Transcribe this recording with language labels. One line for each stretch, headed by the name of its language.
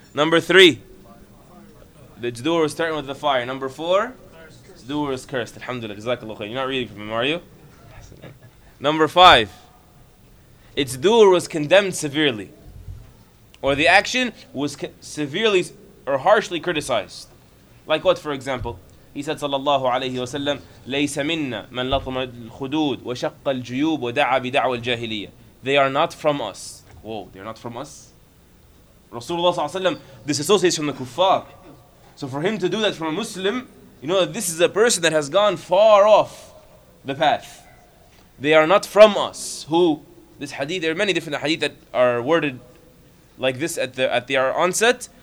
English: Number three, the doer was threatened with the fire. Number four, the doer is cursed. Alhamdulillah, jazakallah khair. You're not reading from him, are you? Number five, its doer was condemned severely. Or the action was severely or harshly criticized. Like what, for example? He said,
Arabic: sallallahu alayhi wa sallam, لَيْسَ مِنَّا مَنْ لَطَمَ الْخُدُودِ وَشَقَّ الْجُيُوبُ وَدَعَى بِدَعْوَ الْجَاهِلِيَّةِ.
English: They are not from us. Whoa, they are not from us? Rasulullah sallallahu alayhi wa sallam disassociates from the kuffar. So for him to do that from a Muslim, you know that this is a person that has gone far off the path. They are not from us. Who? This hadith, there are many different hadith that are worded like this at the onset.